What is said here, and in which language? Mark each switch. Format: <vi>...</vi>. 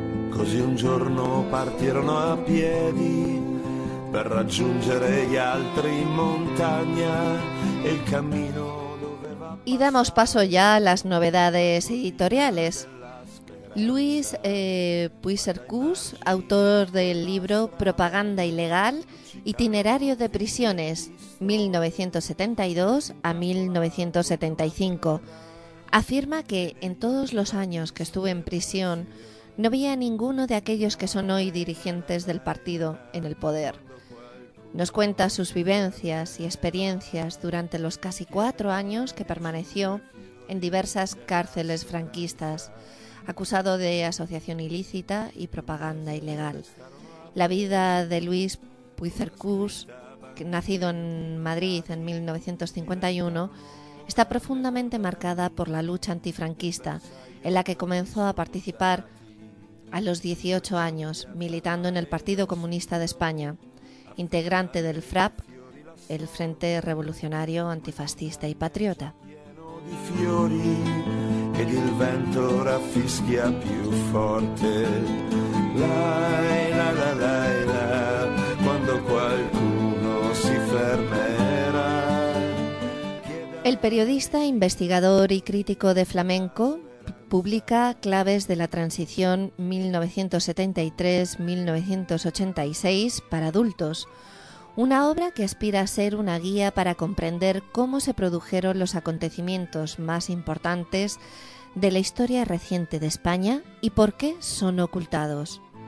<it>Così un giorno partirono a piedi per raggiungere gli altri in montagna e il cammino.</it> <es>Y damos paso ya a las novedades editoriales. Luis Puisercus, autor del libro Propaganda Ilegal, Itinerario de Prisiones, 1972 a 1975, afirma que en todos los años que estuve en prisión no vi a ninguno de aquellos que son hoy dirigentes del partido en el poder. Nos cuenta sus vivencias y experiencias durante los casi 4 años que permaneció en diversas cárceles franquistas, acusado de asociación ilícita y propaganda ilegal. La vida de Luis Puisercus, nacido en Madrid en 1951, está profundamente marcada por la lucha antifranquista, en la que comenzó a participar a los 18 años, militando en el Partido Comunista de España, integrante del FRAP, el Frente Revolucionario Antifascista y Patriota.</es> <it>Ed il vento raffischia più forte, lai la la lai la, quando qualcuno si fermerà.</it> <es>El periodista, investigador y crítico de flamenco publica Claves de la Transición 1973-1986 para adultos, una obra que aspira a ser una guía para comprender cómo se produjeron los acontecimientos más importantes de la historia reciente de España y por qué son ocultados.</es>